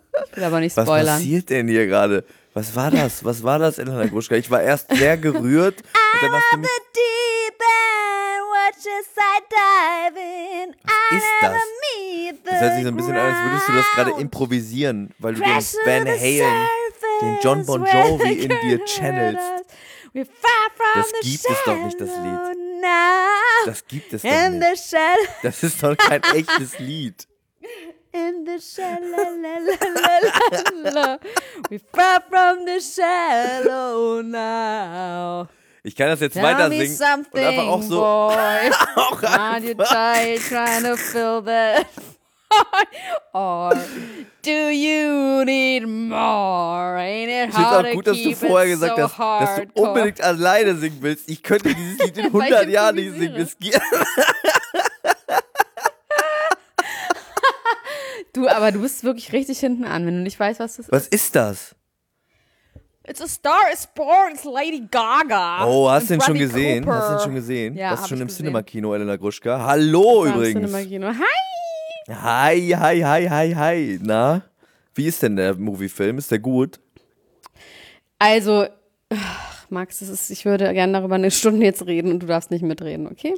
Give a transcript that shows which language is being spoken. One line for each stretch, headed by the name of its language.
German: Ich will aber nicht spoilern. Was passiert denn hier gerade? Was war das? Was war das, Elena Gruschka? Ich war erst sehr gerührt. Und dann
English: I'm on the deep end, watch as I dive in.
German: Was ist das? Das hört sich so ein bisschen an, als würdest du das gerade improvisieren, weil du den Van Halen, den John Bon Jovi in dir channelst. Das gibt es doch nicht, das Lied. Das gibt es doch nicht. Das ist doch kein echtes Lied.
English: In the shallow, we're far from the shallow now.
German: Ich kann das jetzt weiter singen und einfach auch so.
English: Auch are you tired trying to fill that void? Or do you need more? Ain't it hard to keep it so hardcore?
German: Ich finde auch gut, dass du vorher gesagt hast, dass du unbedingt alleine singen willst. Ich könnte dieses Lied in 100 Jahren nicht singen. Du, aber du bist wirklich richtig hinten an, wenn du nicht weißt, was das ist. Was ist das?
English: It's a Star is Born, it's Lady Gaga.
German: Oh, hast du den schon gesehen? Cooper. Hast du den schon gesehen? Ja, das ist schon ich im gesehen. Cinema-Kino, Elena Gruschka. Hallo das übrigens. Im Cinema-Kino. Hi! Hi, hi, hi, hi, hi. Na? Wie ist denn der Moviefilm? Ist der gut? Also, Max, das ist, ich würde gerne darüber eine Stunde jetzt reden und du darfst nicht mitreden, okay?